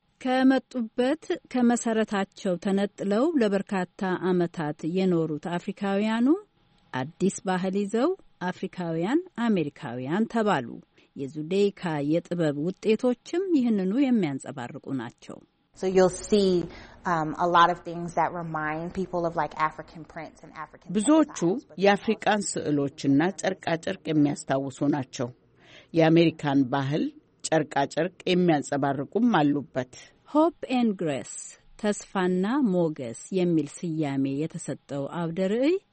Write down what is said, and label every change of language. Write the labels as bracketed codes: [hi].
[am] ከመጡበት ከመሠረታቸው ተነጥለው ለበርካታ ዓመታት የኖሩት አፍሪካውያኑ አዲስ ባህል ይዘው አፍሪካውያን አሜሪካውያን ተባሉ። የዙዴይካ የጥበብ ውጤቶችም ይህንኑ የሚያንጸባርቁ ናቸው። [en] So you'll see a lot of things that remind people of like African prints and African [am] ብዙዎቹ የአፍሪካን ስዕሎችና ጨርቃጨርቅ የሚያስታውሱ ናቸው። የአሜሪካን ባህል ጨርቃጨርቅ የሚያንጸባርቁም አሉበት። Hope and Grace ተስፋና ሞገስ የሚል ስያሜ የተሰጠው አውደ ርዕይ